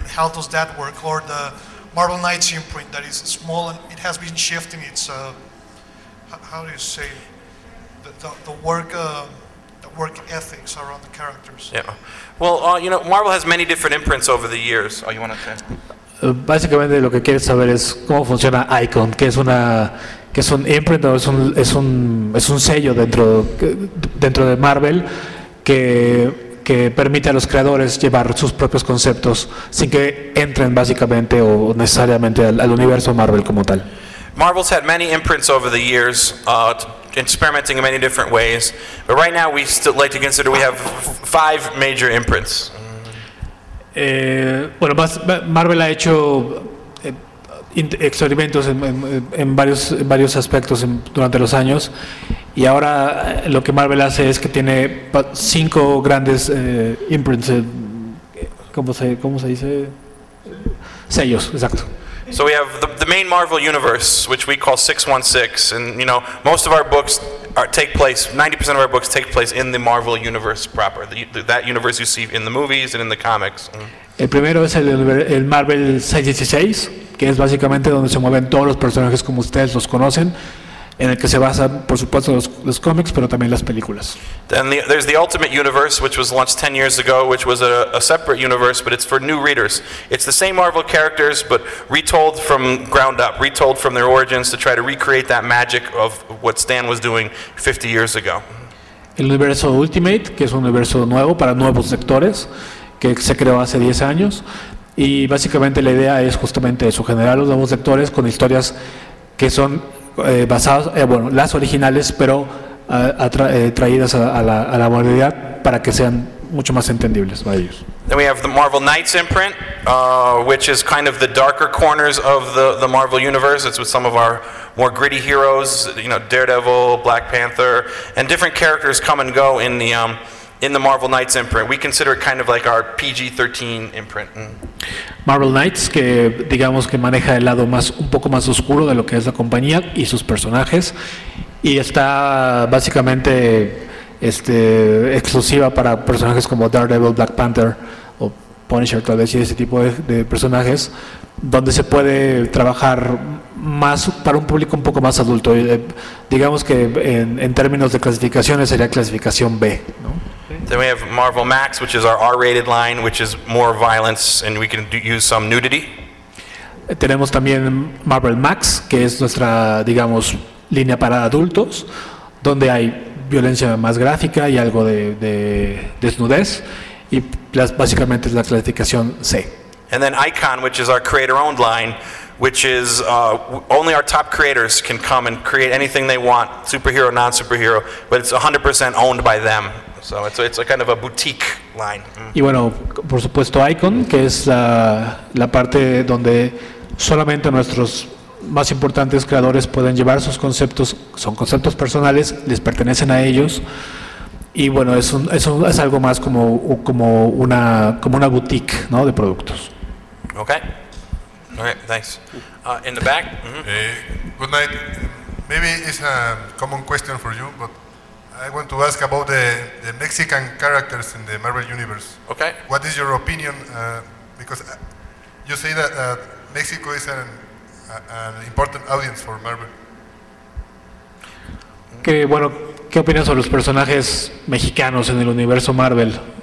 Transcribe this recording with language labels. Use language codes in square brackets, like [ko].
[en] How does that work? Or the Marvel Knights imprint that is small and it has been shifting its... how do you say the work ethics around the characters? Yeah. Well, you know, Marvel has many different imprints over the years. Oh, you want to say? [es] Básicamente lo que quieres saber es cómo funciona Icon, que es un imprint, es un sello dentro de Marvel que permite a los creadores llevar sus propios conceptos sin que entren básicamente o necesariamente al universo Marvel como tal. [en] Marvel's had many imprints over the years, experimenting in many different ways. But right now, we still like to consider we have five major imprints. [es] Bueno, Marvel ha hecho experimentos en varios aspectos durante los años, y ahora lo que Marvel hace es que tiene cinco grandes imprints. ¿Cómo se dice? Sellos, exacto. [en] So we have the main Marvel universe, which we call 616, and you know, most of our books take place, 90% of our books take place in the Marvel universe proper, that universe you see in the movies and in the comics. [es] El primero es el Marvel 616, que es básicamente donde se mueven todos los personajes como ustedes los conocen, en el que se basan, por supuesto, los cómics, pero también las películas. [en] Then there's the Ultimate Universe, which was launched 10 years ago, which was a separate universe, but it's for new readers. It's the same Marvel characters, but retold from ground up, retold from their origins to try to recreate that magic of what Stan was doing 50 years ago. [es] El universo Ultimate, que es un universo nuevo para nuevos lectores, que se creó hace 10 años, y básicamente la idea es justamente eso, generar los nuevos lectores con historias que son... las originales, pero traídas a la modernidad para que sean mucho más entendibles para ellos. [en] Then we have the Marvel Knights imprint, which is kind of the darker corners of the Marvel universe. It's with some of our more gritty heroes, you know, Daredevil, Black Panther, and different characters come and go in the Marvel Knights imprint. We consider it kind of like our PG-13 imprint. [es] Marvel Knights, que digamos que maneja el lado más un poco más oscuro de lo que es la compañía y sus personajes, y está básicamente exclusiva para personajes como Daredevil, Black Panther o Punisher, tal vez, y ese tipo de personajes, donde se puede trabajar más para un público un poco más adulto. Digamos que en términos de clasificaciones sería clasificación B, ¿no? [en] Then we have Marvel Max, which is our R-rated line, which is more violence, and we can use some nudity. [es] Tenemos también Marvel Max, que es nuestra, digamos, línea para adultos, donde hay violencia más gráfica y algo de desnudez, y básicamente es la clasificación C. [en] And then Icon, which is our creator-owned line, which is only our top creators can come and create anything they want, superhero, non-superhero, but it's 100% owned by them. So it's a kind of a boutique line. [es] Y bueno, por supuesto Icon, que es la parte donde solamente nuestros más importantes creadores pueden llevar sus conceptos, son conceptos personales, les pertenecen a ellos. Y bueno, es algo más como una boutique, ¿no?, de productos. [en] Okay. All right, thanks. In the back. Good night. Maybe it's a common question for you, but I want to ask about the Mexican characters in the Marvel Universe. Okay. What is your opinion? Because you say that Mexico is an important audience for Marvel. [es] Que bueno, ¿qué opinas sobre los personajes mexicanos en el universo Marvel?